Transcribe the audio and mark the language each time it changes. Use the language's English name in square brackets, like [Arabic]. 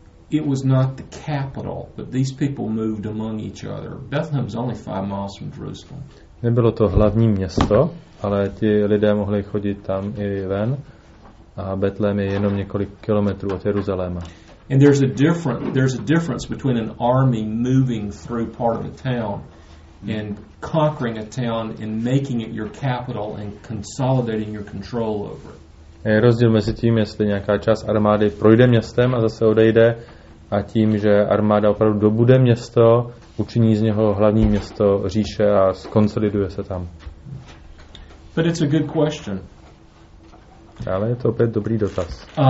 [English] It was not the capital, but these people moved among each other. Bethlehem is only 5 miles from Jerusalem. [Czech] Nebylo to hlavní město, ale ti lidé mohli chodit tam i ven. A Betlém je jenom několik kilometrů od Jeruzaléma. [English] And there's a difference between an army moving through part of a town and conquering a town and making it your capital and consolidating your control over it. [Czech] Je rozdíl mezi tím, jestli nějaká část armády projde městem a zase odejde, a tím, že armáda opravdu dobude město, učiní z něho hlavní město říše a skonsoliduje se tam. [English] But it's a good question. [Czech] Ale je to opět dobrý dotaz.